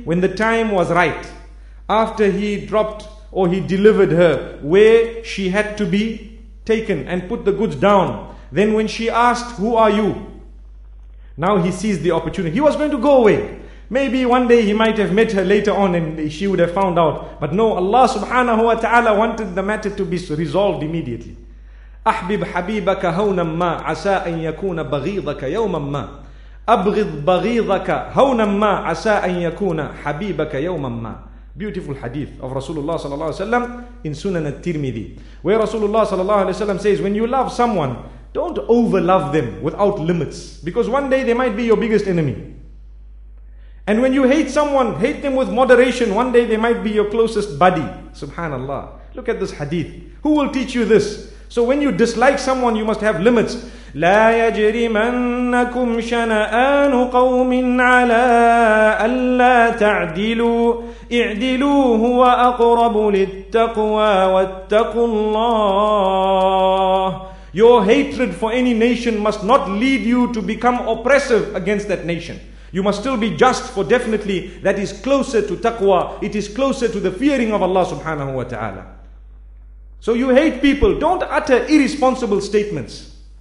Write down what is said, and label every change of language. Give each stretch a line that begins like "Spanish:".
English: When the time was right, after he dropped or he delivered her where she had to be taken and put the goods down, then when she asked, who are you? Now he seized the opportunity. He was going to go away. Maybe one day he might have met her later on and she would have found out. But no, Allah subhanahu wa ta'ala wanted the matter to be resolved immediately.
Arabic: أحبب حبيبك هونا ما عسى أن يكون بغيضك يوما ما أبغض بغيضك هونا ما عسى أن يكون حبيبك يوما ما.
English: Beautiful hadith of Rasulullah sallallahu alayhi wa sallam in Sunan al-Tirmidhi, where Rasulullah sallallahu alayhi wa sallam says, when you love someone, don't overlove them without limits, because one day they might be your biggest enemy. And when you hate someone, hate them with moderation, one day they might be your closest buddy. Subhanallah. Look at this hadith. Who will teach you this? So when you dislike someone, you must have limits.
Arabic: لا يجرمنكم شنآن قوم على ألا تعدلوا اعدلوا هو أقرب للتقوى واتقوا الله.
English: Your hatred for any nation must not lead you to become oppressive against that nation. You must still be just, for definitely that is closer to taqwa. It is closer to the fearing of Allah subhanahu wa ta'ala. So you hate people, don't utter irresponsible statements.